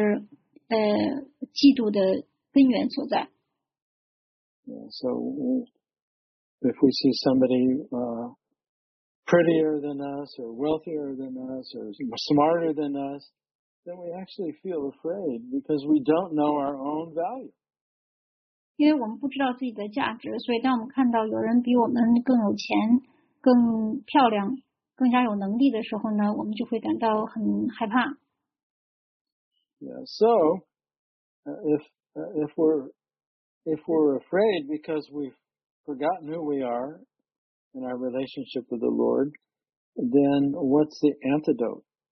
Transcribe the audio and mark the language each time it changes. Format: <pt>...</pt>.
<zh>那所以呢，这些就是嫉妒的根源所在。</zh> <en>Yeah, so if we see somebody prettier than us, or wealthier than us, or smarter than us, then we actually feel afraid because we don't know our own value.</en> <zh>因为我们不知道自己的价值，所以当我们看到有人比我们更有钱、更漂亮。更加有能力的时候呢，我们就会感到很害怕。</zh> <en>Yeah, so if we're afraid because we've forgotten who we are in our relationship with the Lord, then what's the antidote?</en>